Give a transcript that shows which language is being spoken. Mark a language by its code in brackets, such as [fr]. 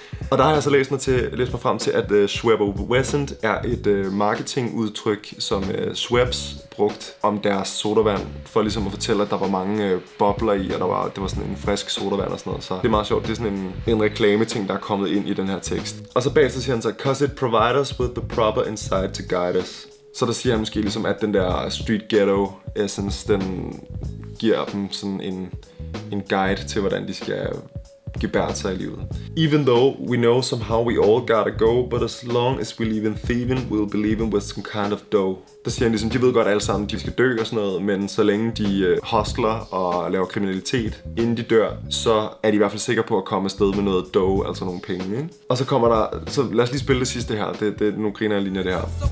[da] Og der har jeg så læst mig frem til, at Schwabo-Wesent er et marketingudtryk, som Schweppes brugt om deres sodavand, for ligesom at fortælle, at der var mange bobler i, og det var sådan en frisk sodavand og sådan noget. Så det er meget sjovt, det er sådan en reklame-ting, der er kommet ind i den her tekst. Og så bagefter siger han så, [en] 'cause it provides us with the proper insight to guide us. [da] Så der siger han måske ligesom, at den der street ghetto essence, den giver dem sådan en guide til, hvordan de skal gebært sig i livet. [en] Even though we know somehow we all gotta go, but as long as we live in thieving, we'll be living with some kind of dough. [da] Der siger han ligesom, de ved godt alle sammen, de skal dø og sådan noget, men så længe de hustler og laver kriminalitet, inden de dør, så er de i hvert fald sikre på at komme afsted med noget dough, altså nogle penge, ikke? Og så kommer der, så lad os lige spille det sidste her, det er nogle griner af linjer, det her.